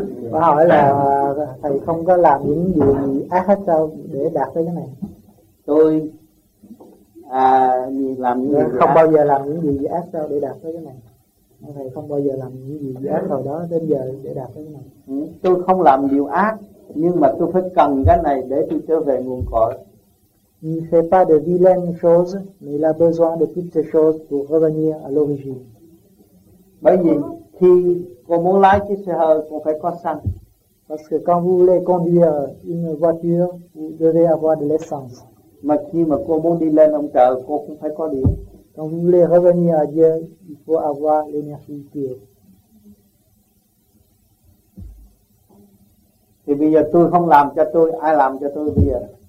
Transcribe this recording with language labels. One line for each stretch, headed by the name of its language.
Vietnamese: Và hỏi là thầy không có làm những gì ác hết sao để đạt tới cái này? Tôi làm gì không bao giờ làm những gì ác sao để đạt tới cái này? Thầy không bao giờ làm những gì ác hồi đó đến giờ để đạt tới cái này. Tôi không làm điều ác nhưng mà tôi phải cần cái này để tôi trở về nguồn cội.
French: Il ne fait pas de vilaines choses, mais il a besoin de toutes ces choses pour revenir à l'origine.
Vietnamese: Bởi vì khi con muốn lái chiếc xe hơi, con phải có xăng.
French: Parce que quand vous voulez conduire une voiture, vous devez avoir de l'essence.
Vietnamese: Mà khi mà con muốn đi lên ông trời, con cũng phải có điện.
French: Quand vous voulez revenir à Dieu, il faut avoir l'énergie pure.
Vietnamese: Thì bây giờ tôi không làm cho tôi, ai làm cho tôi bây giờ?